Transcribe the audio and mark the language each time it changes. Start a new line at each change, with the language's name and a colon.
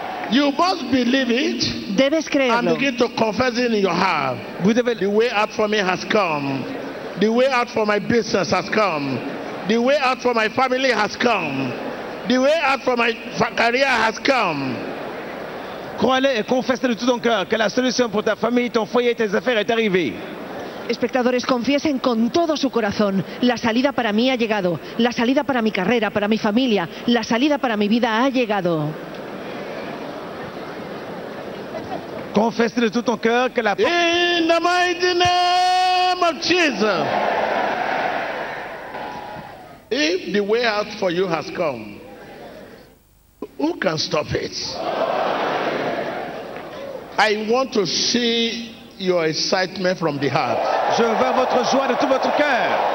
English: You must believe it.
Spanish: Debes creerlo.
English: And begin to confess it in your heart. The way out for me has come. The way out for my business has come. The way out for my family has come. The way out for my career has come.
French: Crois-le et confesse de tout ton cœur que la solution pour ta famille, ton foyer, tes affaires est arrivée.
Spanish: Espectadores, confiesen con todo su corazón. La salida para mí ha llegado. La salida para mi carrera, para mi familia. La salida para mi vida ha llegado.
French: Confesse de tout ton cœur que la...
English: In the mighty name of Jesus. If the way out for you has come, who can stop it? I want to see your excitement from the heart.
French: Je veux votre joie de tout votre cœur.